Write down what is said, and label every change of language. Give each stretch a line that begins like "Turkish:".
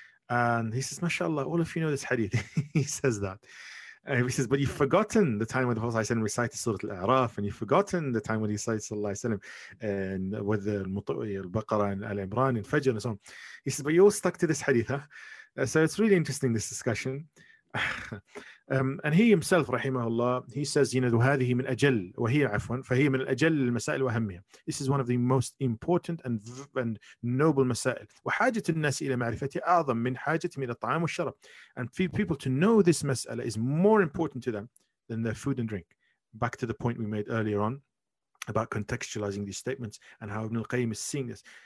English: And he says, mashallah, all of you know this hadith. He says that. And he says, but you've forgotten the time when the Prophet ﷺ recited Surah Al-A'raf, and you've forgotten the time when he recited Sallallahu Alaihi Wasallam and with the Mutawwi, Al-Baqarah, and Al-Imran, and Fajr, and so on. He says, but you're all stuck to this hadith, huh? So it's really interesting, this discussion. and he himself, rahimahullah, he says, you know,
Arabic: وَهَذِهِ مِنْ أَجَلِّ وَهِيَ عَفْوًا فَهِيَ مِنْ أَجَلِّ الْمَسَائِلِ وَهَمِّهِ.
English: This is one of the most important and noble masail.
Arabic: وَحَاجَةُ النَّاسِ إِلَى مَعْرِفَتِهِ أَعْظَمْ مِنْ حَاجَةِ مِنَ الطَّعَامُ وَالشَّرَبْ.
English: And for people to know this masala is more important to them than their food and drink. Back to the point we made earlier on about contextualizing these statements and how Ibn al-Qayyim is seeing this.